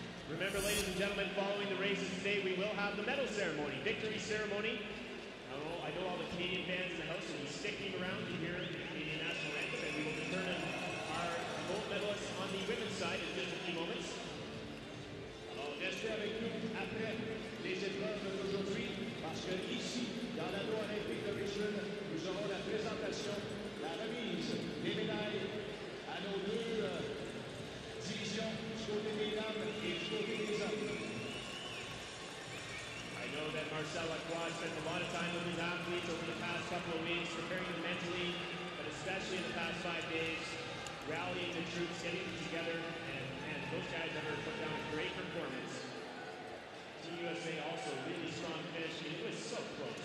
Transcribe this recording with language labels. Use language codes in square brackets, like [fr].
[en] Remember, ladies and gentlemen, following the races today, we will have the medal ceremony, victory ceremony. I know all the Canadian fans in the house will be sticking around to hear the Canadian national anthem, and we will determine our gold medalists on the women's side in just a few moments. [fr] Restez avec nous après les épreuves d'aujourd'hui parce que ici, dans l'anneau olympique de Richmond, nous aurons la présentation, la remise des médailles à nos deux divisions, du côté des dames et du côté des hommes. [en] I know that Marcel Lacroix spent a lot of time with his athletes over the past couple of weeks, preparing them mentally, but especially in the past 5 days, rallying the troops, getting them together. Those guys have put down a great performance. Team USA also a really strong finish. I mean, it was so close.